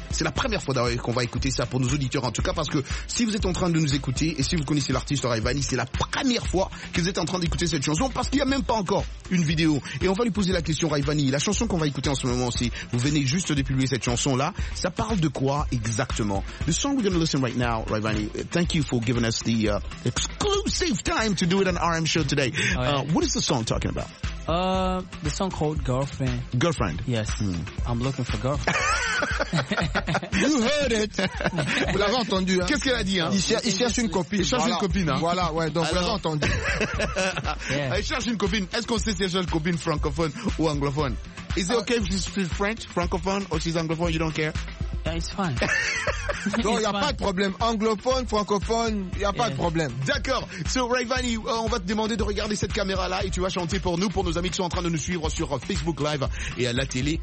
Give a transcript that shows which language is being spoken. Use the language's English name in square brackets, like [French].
[French] C'est la première fois d'ailleurs qu'on va écouter ça pour nos auditeurs, en tout cas, parce que si vous êtes en train de nous écouter et si vous connaissez l'artiste Ryvan, c'est la première fois que vous êtes en train d'écouter cette chanson, parce qu'il n'y a même pas encore une vidéo. Et on va lui poser la question, Ryvan. La chanson qu'on va écouter en ce moment, si vous venez juste de publier cette chanson-là, ça parle de quoi exactement? [English] The song we're going to listen right now, Ryvan, thank you for giving us the exclusive time to do it on RM Show today. What is the song talking about? The song called Girlfriend. Girlfriend? Yes. I'm looking for girlfriend. You heard it. [French] Vous l'avez entendu, hein? Qu'est-ce qu'elle a dit, hein? Il cherche une copine. Il cherche une copine, hein? Voilà, ouais, donc vous l'avez entendu. Il cherche une copine. Est-ce qu'on sait si elle cherche une copine francophone ou anglophone? [English] Is it okay if she's French, francophone, or she's anglophone, you don't care? It's fine. [French] Donc, il n'y a pas de problème. Anglophone, francophone, il n'y a pas de problème. D'accord. So, Ryvani, on va te demander de regarder cette caméra-là et tu vas chanter pour nous, pour nos amis qui sont en train de nous suivre sur Facebook Live et à la télé.